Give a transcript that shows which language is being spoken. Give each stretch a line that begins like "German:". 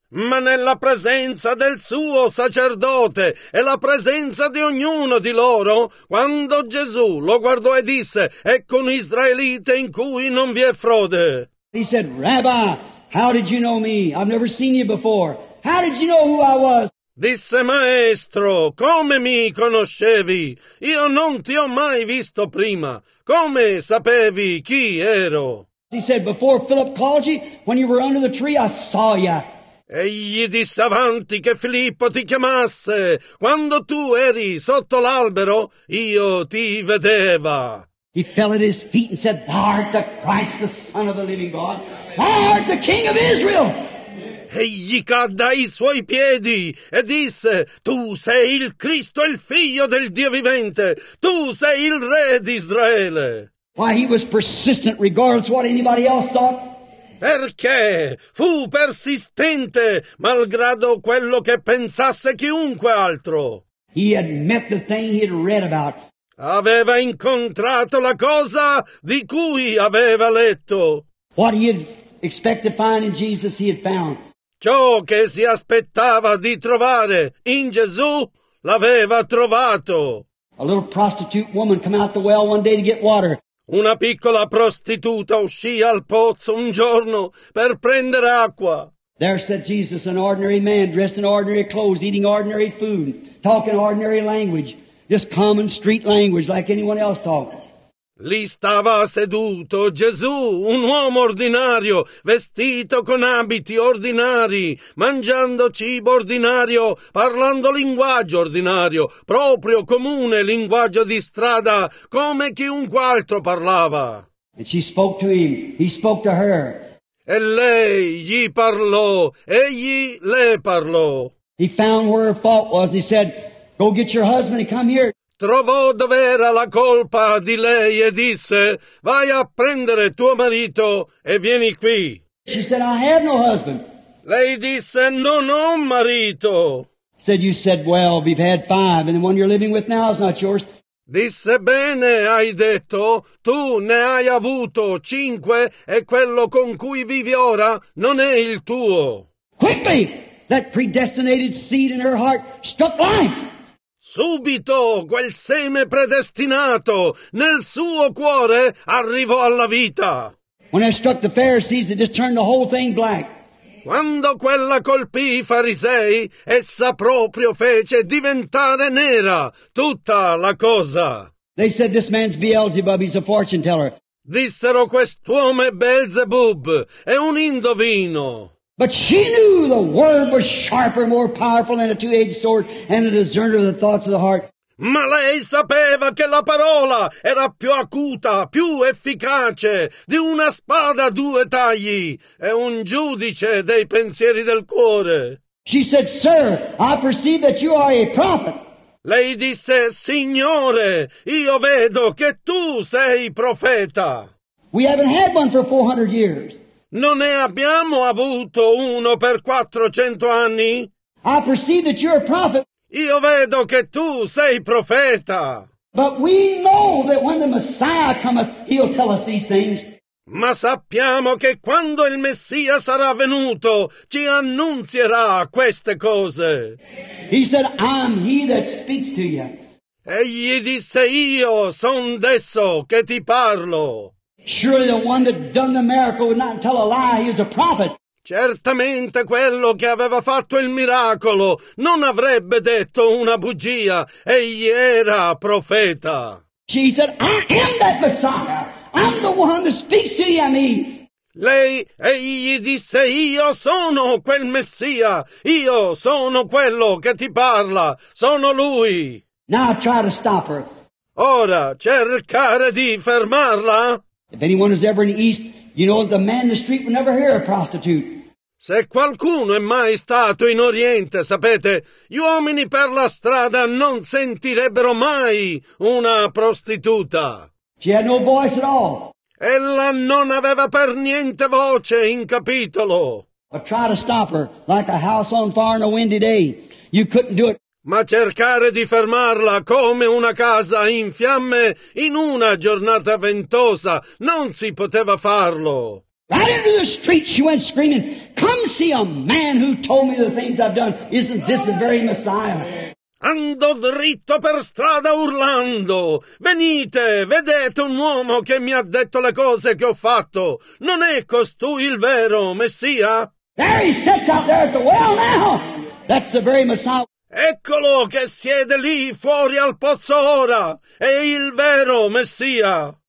Italian: Ma nella presenza del suo sacerdote e la presenza di ognuno di loro, quando Gesù lo guardò e disse, ecco un israelite in cui non vi è frode.
English: He said, "Rabbi, how did you know me? I've never seen you before. How did you know who I was?"
Italian: Disse, maestro, come mi conoscevi? Io non ti ho mai visto prima. Come sapevi chi ero?
English: He said, "Before Philip called you, when you were under the tree, I saw you."
Italian: Egli disse avanti che Filippo ti chiamasse, quando tu eri sotto l'albero, io ti vedeva.
English: He fell at his feet and said, "Thou art the Christ, the Son of the living God. Thou art the King of Israel."
Italian: Egli cadde ai suoi piedi e disse, "Tu sei il Cristo, il Figlio del Dio vivente. Tu sei il Re d'Israele."
English: Why, he was persistent regardless of what anybody else thought.
Italian: Perché fu persistente malgrado quello che pensasse chiunque altro.
English: He had met the thing he had read about.
Italian: Aveva incontrato la cosa di cui aveva letto.
English: What he had expected to find in Jesus, he had found.
Italian: Ciò che si aspettava di trovare in Gesù l'aveva trovato.
English: A little prostitute woman came out the well one day to get water.
Italian: Una piccola prostituta uscì al pozzo un giorno per prendere acqua.
English: There sat Jesus, an ordinary man, dressed in ordinary clothes, eating ordinary food, talking ordinary language, just common street language like anyone else talked.
Italian: Lì stava seduto Gesù, un uomo ordinario, vestito con abiti ordinari, mangiando cibo ordinario, parlando linguaggio ordinario, proprio comune linguaggio di strada, come chiunque altro parlava.
English: And she spoke to him, he spoke to her.
Italian: E lei gli parlò, egli le parlò.
English: He found where her fault was, he said, "Go get your husband and come here."
Italian: Trovò dove era la colpa di lei e disse, "Vai a prendere tuo marito e vieni qui."
English: She said, "I have no husband."
Italian: Lei disse, "Non ho marito."
English: Said, "You said, well, we've had five, and the one you're living with now is not yours."
Italian: Disse, "Bene, hai detto, tu ne hai avuto cinque, e quello con cui vivi ora non è il tuo."
English: Quickly, that predestinated seed in her heart struck life.
Italian: Subito quel seme predestinato nel suo cuore arrivò alla vita.
English: When it struck the Pharisees, it just turned the whole thing black.
Italian: Quando quella colpì i farisei, essa proprio fece diventare nera tutta la cosa.
English: They said, "This man's Beelzebub, he's a fortune teller."
Italian: Dissero, quest'uomo è Beelzebub, è un indovino.
English: But she knew the word was sharper, more powerful than a two-edged sword, and a discerner of the thoughts of the heart.
Italian: Ma lei sapeva che la parola era più acuta, più efficace, di una spada a due tagli, e un giudice dei pensieri del cuore.
English: She said, "Sir, I perceive that you are a prophet."
Italian: Lei disse, "Signore, io vedo che tu sei profeta."
English: We haven't had one for 400 years.
Italian: Non ne abbiamo avuto uno per 400 anni?
English: I perceive that you're a prophet.
Italian: Io vedo che tu sei profeta.
English: But we know that when the Messiah cometh, he'll tell us these things.
Italian: Ma sappiamo che quando il Messia sarà venuto, ci annunzierà queste cose.
English: He said, "I'm he that speaks to you."
Italian: Egli disse, "Io son desso che ti parlo."
English: Surely the one that done the miracle would not tell a lie. He is a prophet.
Italian: Certamente quello che aveva fatto il miracolo non avrebbe detto una bugia. Egli era profeta.
English: She said, "I am that Messiah. I'm the one that speaks to you and me."
Italian: Egli disse, "Io sono quel Messia. Io sono quello che ti parla. Sono lui."
English: Now try to stop her.
Italian: Ora cercare di fermarla.
English: If anyone is ever in the East, you know the man in the street would never hear a prostitute.
Italian: Se qualcuno è mai stato in Oriente, sapete, gli uomini per la strada non sentirebbero mai una prostituta.
English: She had no voice at all.
Italian: Ella non aveva per niente voce in capitolo.
English: But try to stop her like a house on fire in a windy day. You couldn't do it.
Italian: Ma cercare di fermarla come una casa in fiamme in una giornata ventosa non si poteva farlo.
English: Right into the street she went screaming, "Come see a man who told me the things I've done. Isn't this the very Messiah?"
Italian: Andò dritto per strada urlando, "Venite, vedete un uomo che mi ha detto le cose che ho fatto. Non è costui il vero Messia?"
English: There he sits out there at the well now. That's the very Messiah.
Italian: Eccolo che siede lì fuori al pozzo ora, è il vero Messia.